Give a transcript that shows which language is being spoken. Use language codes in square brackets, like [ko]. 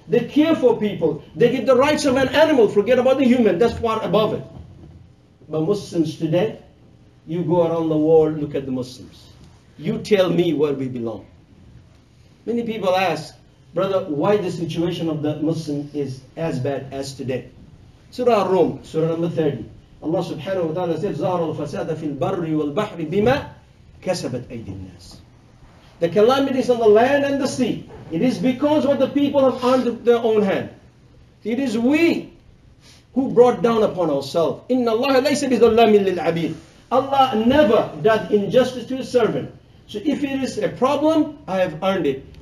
[en] They care for people. They give the rights of an animal. Forget about the human. That's far above it. But Muslims today, you go around the world, look at the Muslims. You tell me where we belong. Many people ask, brother, why the situation of the Muslim is as bad as today? Surah Ar-Rum, Surah number 30. [ar] Allah subhanahu wa ta'ala says, زَارَ الْفَسَادَ فِي الْبَرِّ وَالْبَحْرِ بِمَا كَسَبَتْ أَيْدِ النَّاسِ. [en] The calamities on the land and the sea. It is because what the people have under their own hand. It is we who brought down upon ourselves. [ar] إِنَّ اللَّهَ لَيْسَ بِظَلَّامٍ لِلْعَبِيدِ. [en] Allah never does injustice to his servant. So if it is a problem, I have earned it.